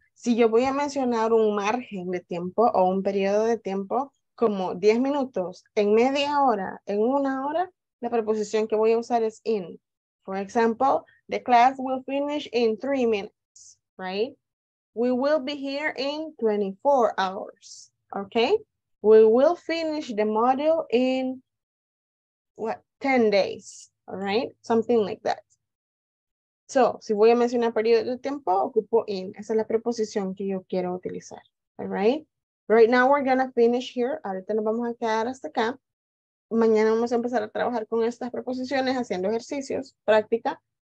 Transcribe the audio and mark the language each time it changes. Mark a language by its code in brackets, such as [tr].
[es] Si yo voy a mencionar un margen de tiempo o un periodo de tiempo como 10 minutos, en media hora, en una hora, la preposición que voy a usar es in. [en] For example, the class will finish in 3 minutes, right? We will be here in 24 hours, okay? We will finish the module in, what, 10 days, all right? Something like that. [es] So, si voy a mencionar periodo de tiempo, ocupo in. Esa es la preposición que yo quiero utilizar, all right? [en] Right now, we're gonna finish here. [es] Ahorita nos vamos a quedar hasta acá. Mañana vamos a empezar a trabajar con estas preposiciones, haciendo ejercicios, práctica.